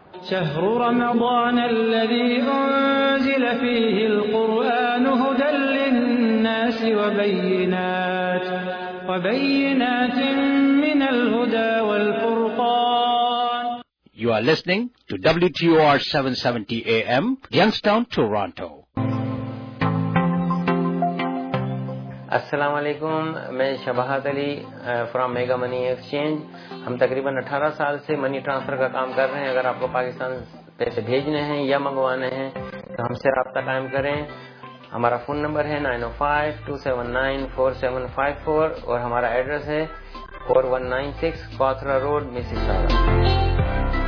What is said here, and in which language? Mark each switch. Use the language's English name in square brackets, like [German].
[Arabic] شهر رمضان الذي أنزل فيه القرآن هدى للناس وبينات من الهدى والفرقان. [English] You are listening to WTOR 770 AM, Youngstown, Toronto. [Urdu] السلام علیکم، میں شبہات علی فرام میگا منی ایکسچینج. ہم تقریباً 18 سال سے منی ٹرانسفر کا کام کر رہے ہیں. اگر آپ کو پاکستان پیسے بھیجنے ہیں یا منگوانے ہیں تو ہم سے رابطہ قائم کریں. ہمارا فون نمبر ہے 905-279-4754 اور ہمارا ایڈریس ہے 4196 کوتھرا روڈ، مسز سارا.